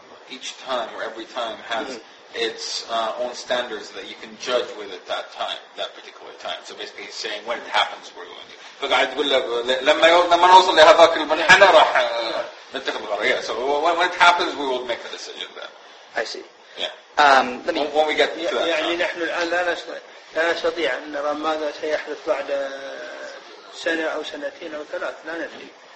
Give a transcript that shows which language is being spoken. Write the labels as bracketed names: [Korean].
[English] Each time or every time has its own standards that you can judge with at that time, that particular time. So basically he's saying when it happens we're going to. [Arabic] فقاعد يقول لما نوصل لهذاك المنحنى راح نتخذ القرار. [English] Yeah, so when it happens we will make the decision then. I see. Yeah. When we get to that. [Arabic] يعني نحن الآن لا نستطيع أن نرى ماذا سيحدث بعد سنة أو سنتين أو ثلاث، لا ندري.